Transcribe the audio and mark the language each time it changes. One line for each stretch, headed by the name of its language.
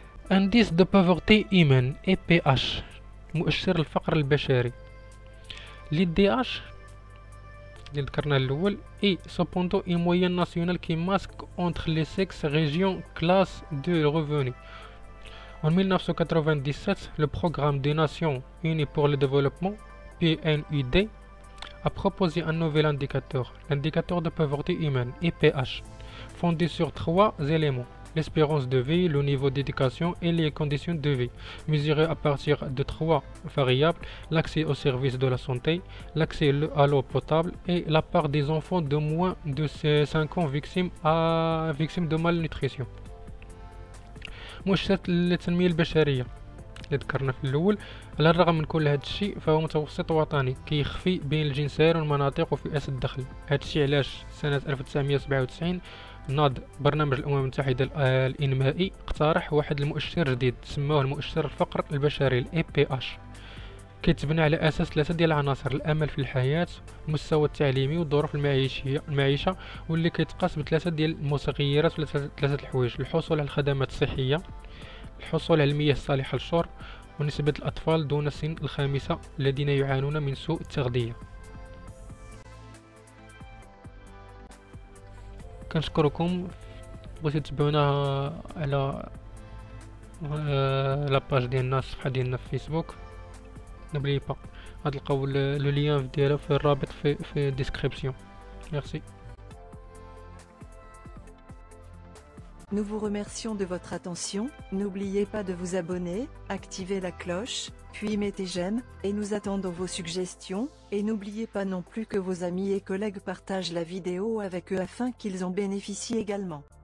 French: Indice de pauvreté humaine, EPH,
Arabic: مؤشر الفقر البشري.
French: L'IDH,
Arabic: اللي ذكرنا الأول,
French: est cependant une moyenne nationale qui masque entre les sexes régions classes de revenus. En 1997, le Programme des Nations Unies pour le Développement, PNUD, a proposé un nouvel indicateur, l'indicateur de pauvreté humaine, EPH, fondé sur trois éléments. L'espérance de vie, le niveau d'éducation et les conditions de vie, mesurées à partir de trois variables, l'accès aux services de la santé, l'accès à l'eau potable et la part des enfants de moins de 5 ans victimes de malnutrition.
Arabic: مؤشر التنمية البشرية اللي ذكرنا في الأول، على الرغم من كل هذا الشيء فهو متوسط وطني كيخفي بين الجنسين والمناطق وفئات الدخل. هذا الشيء علاش سنة 1997 ناض برنامج الأمم المتحدة الإنمائي اقترح واحد المؤشر جديد سماه المؤشر الفقر البشري الـ EPH، كيتبنى على أساس ثلاثة ديال العناصر: الأمل في الحياة، المستوى التعليمي، والظروف المعيشة، واللي كيتقاس بثلاثة ديال المتغيرات ولا ثلاثة الحوايج: الحصول على الخدمات الصحية، الحصول على المياه الصالحة للشرب، ونسبة الأطفال دون سن الخامسة الذين يعانون من سوء التغذية. كنشكركم بغيتو تتبعونا على لاباج ديالنا، الصفحة ديالنا في فيسبوك.
French: نبلي با
Arabic: غتلقاو لو ليان ديالها في الرابط في الديسكريبسيون. ميرسي.
French: Nous vous remercions de votre attention, n'oubliez pas de vous abonner, activer la cloche, puis mettez j'aime, et nous attendons vos suggestions, et n'oubliez pas non plus que vos amis et collègues partagent la vidéo avec eux afin qu'ils en bénéficient également.